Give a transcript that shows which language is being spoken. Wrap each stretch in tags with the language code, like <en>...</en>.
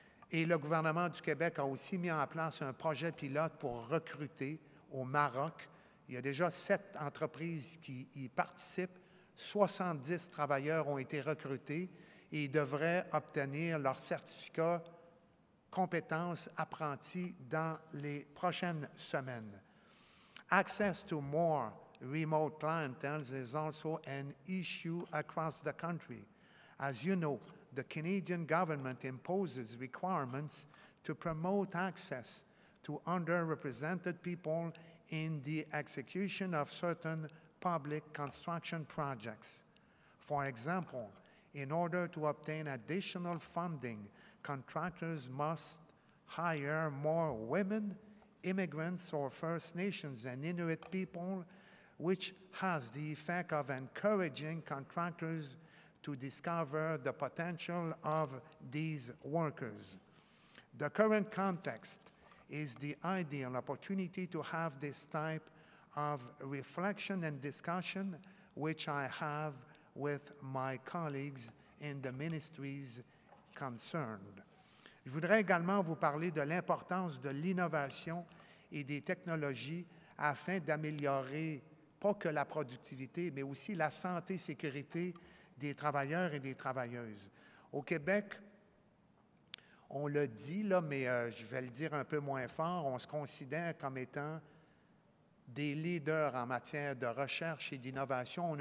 <fr>Et le gouvernement du Québec a aussi mis en place un projet pilote pour recruter au Maroc. Il y a déjà 7 entreprises qui y participent. 70 travailleurs ont été recrutés et ils devraient obtenir leur certificat compétences apprenties dans les prochaines semaines.</fr> <en>Access to more remote clientele is also an issue across the country. As you know, the Canadian government imposes requirements to promote access to underrepresented people in the execution of certain public construction projects. For example, in order to obtain additional funding, contractors must hire more women, immigrants or First Nations and Inuit people, which has the effect of encouraging contractors to discover the potential of these workers. The current context is the ideal opportunity to have this type of reflection and discussion, which I have with my colleagues in the ministries concerned.</en> <fr>Je voudrais également vous parler de l'importance de l'innovation et des technologies afin d'améliorer pas que la productivité, mais aussi la santé et sécurité des travailleurs et des travailleuses. Au Québec, on le dit, là, mais je vais le dire un peu moins fort, on se considère comme étant des leaders en matière de recherche et d'innovation.</fr>